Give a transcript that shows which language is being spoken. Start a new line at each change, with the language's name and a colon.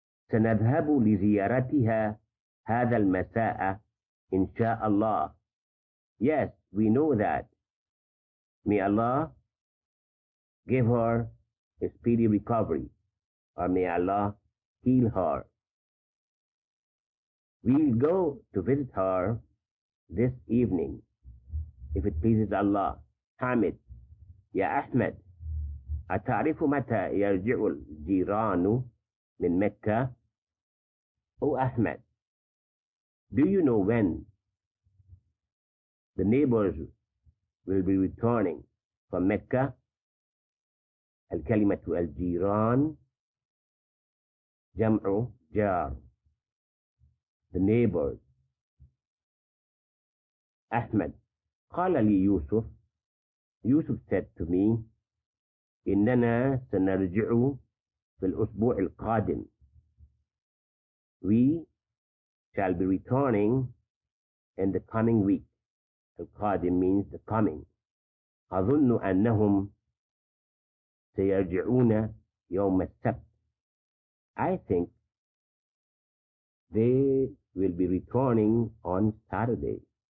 Arabic: سنذهب لزيارتها هذا المساء إن شاء الله.
English: Yes, we know that. May Allah give her a speedy recovery. Or may Allah heal her. We'll go to visit her this evening. If it pleases Allah. Hamid.
Arabic: يا أحمد. أتعرف متى يرجع الجيران من مكة؟ أو أحمد.
English: Do you know when the neighbors will be returning from Mecca?
Arabic: الكلمة الجيران جمع جار.
English: The neighbors.
Arabic: أحمد قال لي يوسف.
English: Yusuf said to me,
Arabic: إننا سنرجع في الأسبوع القادم.
English: We shall be returning in the coming week. القادم means the coming.
Arabic: أظن أنهم سيرجعون يوم السبت.
English: I think they will be returning on Saturday.